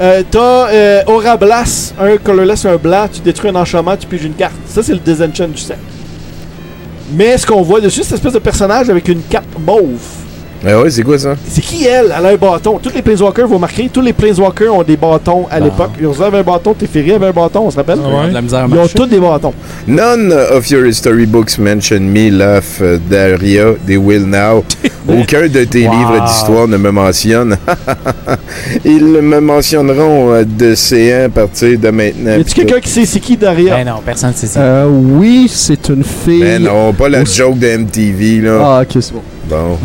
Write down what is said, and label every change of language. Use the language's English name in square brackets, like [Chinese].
[French] T'as Aura Blast, un colorless, un blanc, tu détruis un enchantement, tu piges une carte. Ça, c'est le Disenchant du set. Mais ce qu'on voit dessus, c'est une espèce de personnage avec une cape mauve. Ben oui, c'est quoi ça? C'est qui elle? Elle a un bâton. Tous les Planeswalkers, vous remarquez, tous les Planeswalkers ont des bâtons à l'époque. Urza avait un bâton, Teferi avait un bâton, on se rappelle? Ouais. La misère ils ont tous des bâtons. [English] None of your history books mention me, Laf, Daria, they will now. [French] Aucun de tes livres d'histoire ne me mentionne. Ils me mentionneront de C1 à partir de maintenant. Y a-t-il quelqu'un qui sait c'est qui Daria? Ben non, personne ne sait ça. Oui, c'est une fille. Ben non, pas la joke de MTV, là. Ah, ok, c'est bon. Bon.